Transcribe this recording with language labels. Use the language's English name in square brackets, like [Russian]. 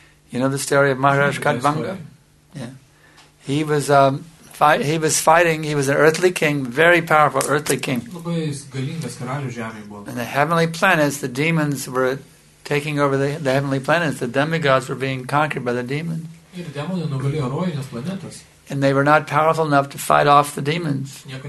[English] You know the story of Maharaj Katvanga? Yeah. He was fighting. He was an earthly king, very powerful earthly king. And the heavenly planets, the demons were taking over the heavenly planets. The demigods were being conquered by the demons. [Lithuanian] Ir demonai nugalėjo rojines planetas. [English] And they were not powerful enough to fight off the demons.